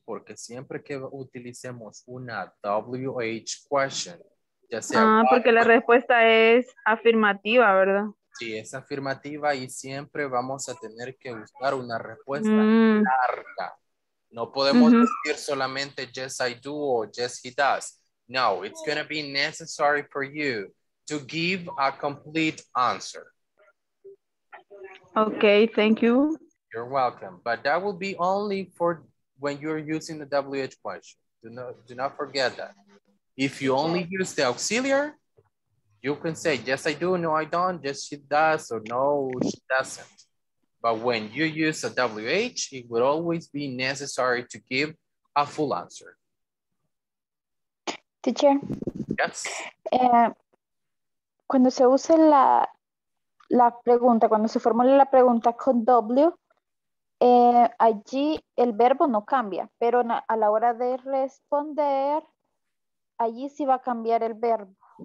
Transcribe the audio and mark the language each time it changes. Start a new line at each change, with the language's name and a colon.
Spanish: Porque siempre que utilicemos una WH question, ya sea. Porque la respuesta es afirmativa, ¿verdad? Sí, es afirmativa y siempre vamos a tener que buscar una respuesta larga. No podemos decir solamente
English: yes I do
Spanish: o
English: yes he does. No, it's going to be necessary for you to give a complete answer. Okay, thank you. You're welcome. But that will be only for when you're using the WH question. Do not forget that. If you only use the auxiliary, you can say, yes, I do, no, I don't, yes, she does, or no, she doesn't. But when you use a WH, it would always be necessary to give a full answer. Teacher? Yes?
Spanish: Cuando se usa la pregunta, cuando se formula la pregunta con W, allí el verbo no cambia, pero a la hora de responder, allí sí va a cambiar el verbo.